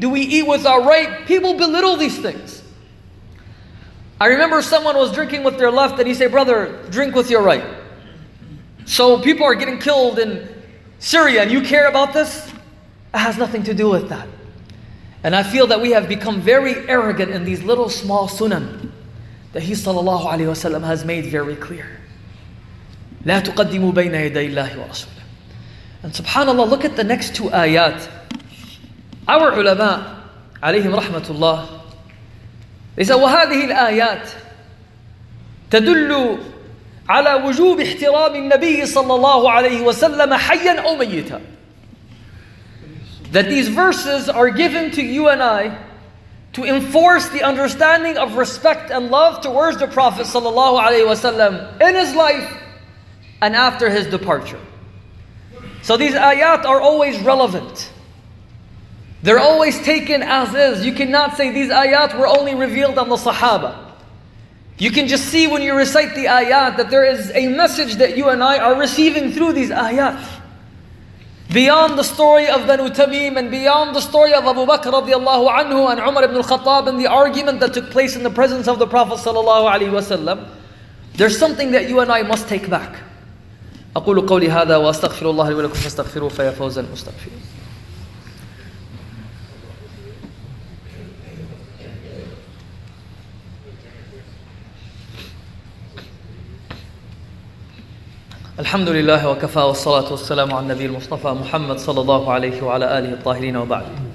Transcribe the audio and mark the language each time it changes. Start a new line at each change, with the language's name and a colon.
English: Do we eat with our right? People belittle these things. I remember someone was drinking with their left and he said, "Brother, drink with your right." So people are getting killed in Syria and you care about this? It has nothing to do with that. And I feel that we have become very arrogant in these little small sunan that he sallallahu alayhi wasallam has made very clear.
Arabic: لا تقدموا بين يدي الله ورسوله.
English: And subhanAllah, look at the next two ayat. Our ulama,
Arabic: عليهم رحمة الله,
English: they said,
Arabic: وهذه الآيات تدل على وجوب احترام النبي صلى الله عليه وسلم حيا أو ميتا.
English: That these verses are given to you and I to enforce the understanding of respect and love towards the Prophet صلى الله عليه وسلم in his life and after his departure. So these ayat are always relevant. They're always taken as is. You cannot say these ayat were only revealed on the Sahaba. You can just see when you recite the ayat that there is a message that you and I are receiving through these ayat. Beyond the story of Banu Tamim and beyond the story of Abu Bakr radiallahu anhu and Umar ibn al-Khattab and the argument that took place in the presence of the Prophet sallallahu alayhi wa sallam, there's something that you and I must take back.
Arabic: أقول قولي هذا وأستغفر الله لي ولكم فاستغفروه فيا فوز المستغفرين. الحمد لله وكفى والصلاة والسلام على النبي المصطفى محمد صلى الله عليه وعلى آله الطاهرين وبعد.